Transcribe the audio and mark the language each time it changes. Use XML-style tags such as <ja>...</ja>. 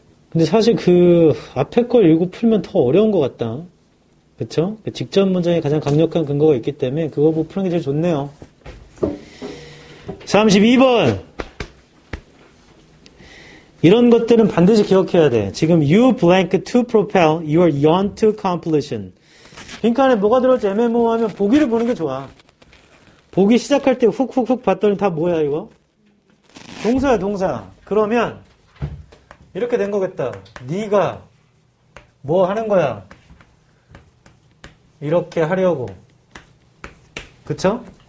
<ko>근데 사실 그 앞에 걸 읽고 풀면 더 어려운 것 같다. 그쵸? 그 직접 문장에 가장 강력한 근거가 있기 때문에 그거 보고 푸는 게 제일 좋네요. 32번 이런 것들은 반드시 기억해야 돼. 지금</ko> <en>you blank to propel your yawn to completion.</en> <ko>빈칸에 뭐가 들어올지 애매모호하면 보기를 보는 게 좋아. 보기 시작할 때 훅훅훅 봤더니 다 뭐야 이거? 동사야 동사. 그러면 이렇게 된 거겠다. 네가 뭐 하는 거야? 이렇게 하려고. 그쵸?</ko>